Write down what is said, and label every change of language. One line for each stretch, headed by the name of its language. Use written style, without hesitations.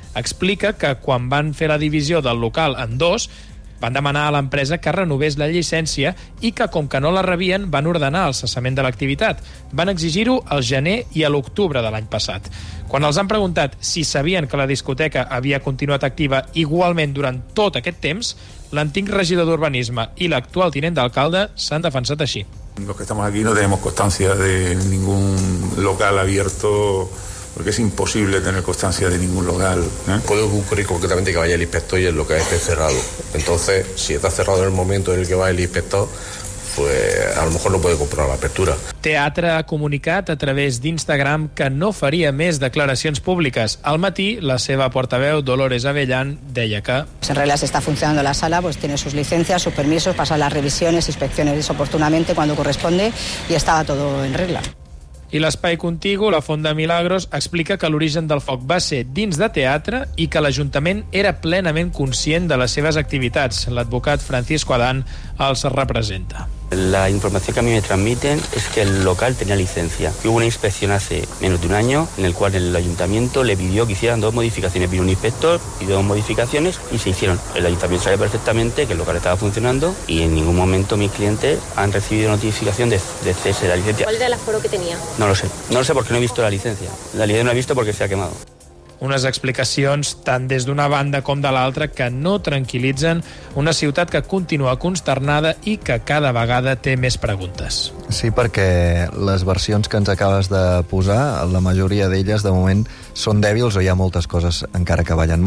Catalan: Explica que quan van fer la divisió del local en dos, van demanar a l'empresa que renovés la llicència i que, com que no la rebien, van ordenar el cessament de l'activitat. Van exigir-ho al gener i a l'octubre de l'any passat. Quan els han preguntat si sabien que la discoteca havia continuat activa igualment durant tot aquest temps, l'antic regidor d'Urbanisme i l'actual tinent d'alcalde s'han defensat així.
Spanish: Los que estamos aquí no tenemos constancia de ningún local abierto, porque es imposible tener constancia de ningún local. Puede ocurrir concretamente que vaya el inspector y el local esté cerrado. Entonces, si está cerrado en el momento en el que va el inspector, pues a lo mejor no puede comprobar la apertura.
Catalan: Teatre ha comunicat a través d'Instagram que no faria més declaracions públiques. Al matí, la seva portaveu, Dolores Avellán, deia que...
Spanish: En realidad se está funcionando la sala, pues tiene sus licencias, sus permisos, pasa las revisiones, inspecciones oportunamente cuando corresponde y estaba todo en regla.
Catalan: I l'espai contigu, la Font de Milagros, explica que l'origen del foc va ser dins de Teatre i que l'Ajuntament era plenament conscient de les seves activitats. L'advocat Francisco Adán els representa. La informació que a mi
Spanish: me transmiten
Catalan: és que el local tenia licència.
Spanish: Hubo una inspecció hace menos de un año en el cual el Ayuntamiento le pidió que hicieran dos modificaciones. Vino un inspector y dos modificaciones y se hicieron. El Ayuntamiento sabe perfectamente que el local estaba funcionando y en ningún momento mis clientes han recibido notificación de cese de la licencia. ¿Cuál era el aforo que tenía? No lo sé. No lo sé porque no he visto la licencia. La licencia no la he visto porque se ha quemado.
Catalan: Unes explicacions tant des d'una banda com de l'altra que no tranquil·litzen una ciutat que continua consternada i que cada vegada té més preguntes. Sí, perquè les versions que ens acabes de posar, la majoria d'elles de moment són dèbils o hi ha moltes coses encara que ballen.